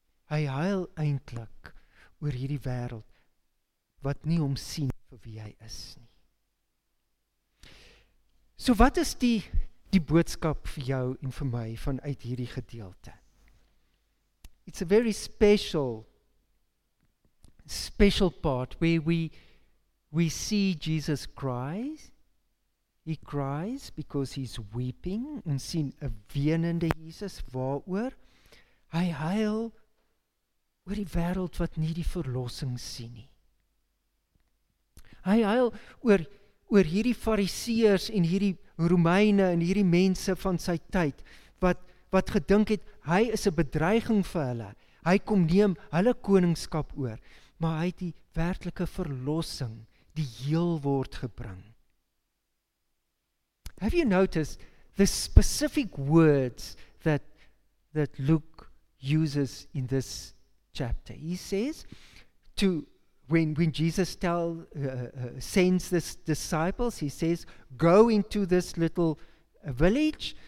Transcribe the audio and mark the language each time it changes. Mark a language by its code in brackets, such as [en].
[af] Hy huil eintlik oor hierdie wêreld wat nie hom sien vir wie hy is nie. So wat is die boodskap vir jou en vir my vanuit hierdie gedeelte? [en] It's a very special part where we see Jesus cries. He cries because he's weeping. [af] Ons sien 'n weenende Jesus. Waaroor? Hy huil oor die wêreld wat nie die verlossing sien nie. Hy huil oor hierdie Fariseërs en hierdie Romeine en hierdie mense van sy tyd wat gedink het hy is 'n bedreiging vir hulle. Hy kom neem hulle koningskap oor, maar hy het die werklike verlossing, die heel word gebring. [en] Have you noticed the specific words that Luke uses in this chapter? He says, when Jesus sends his disciples, he says, "Go into this little village.